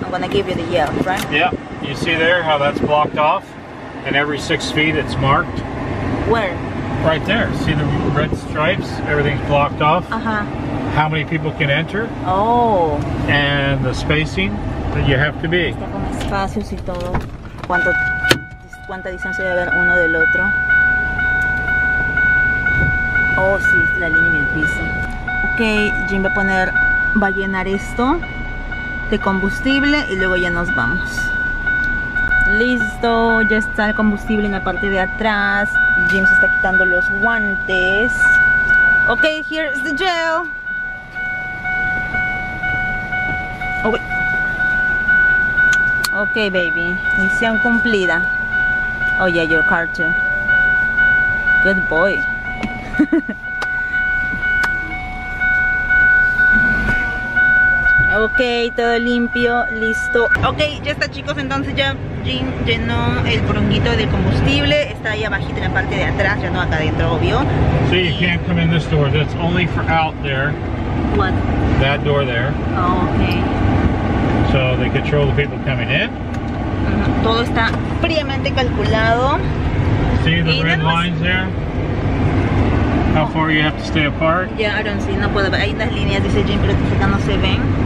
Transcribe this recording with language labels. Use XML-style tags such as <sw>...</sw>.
<en>I'm going to give you the yell, right? Yeah. You see there how that's blocked off? And every 6 feet it's marked. Where? Right there. See the red stripes? Everything's blocked off. Uh-huh. How many people can enter? Oh. And the spacing that you have to be.</en> <es>Está con espacios y todo. ¿Cuánta distancia debe haber uno del otro? Oh, sí, la línea en el piso. Ok, Jim va a poner, va a llenar esto de combustible y luego ya nos vamos. Listo, ya está el combustible en la parte de atrás. Jim se está quitando los guantes. Ok,</es> <en>here's the jail. Ok, baby,</en> <es>misión cumplida.</es> <en>Oh yeah, your car too. Good boy.</en> <es>Ok, todo limpio, listo. Ok, ya está, chicos, entonces ya Jim llenó el poronguito de combustible. Está ahí abajito en la parte de atrás, ya no acá adentro, obvio.</es> <en>So you can't come in this door, that's only for out there. What? That door there. Oh, okay. So they control the people coming in.</en> <es>Todo está fríamente calculado.</es> <en>See the red lines there? How far you have to stay apart? Yeah, I don't see.</en> <es>No puedo ver. Hay unas líneas, dice Jim, pero que acá no se ven.</es>